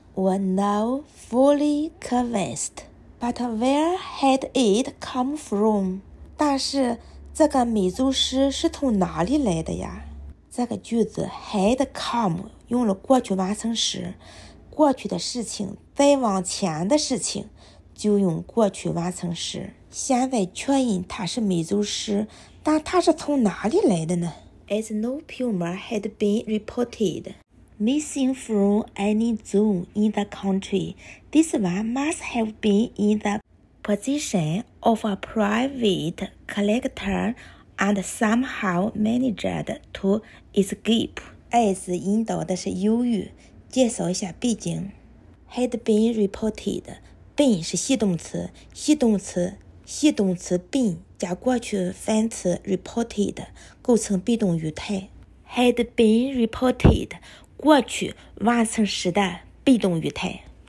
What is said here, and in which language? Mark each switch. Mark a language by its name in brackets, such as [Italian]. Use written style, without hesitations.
[English] were now fully convinced，But where had it come from? [Chinese] 但是这个美洲狮是从哪里来的呀？这个句子 had come 用了过去完成时，过去的事情再往前的事情就用过去完成时。现在确认它是美洲狮，但它是从哪里来的呢？ [English] As no puma had been reported missing from any zoo in the country, this one must have been in the possession of a private collector and somehow managed to escape. [Chinese] As 引导的是由于，介绍一下背景。 Had been reported, been 是系动词，系动词 been 加过去分词 reported 构成被动语态。 had been reported 过去完成时的被动语态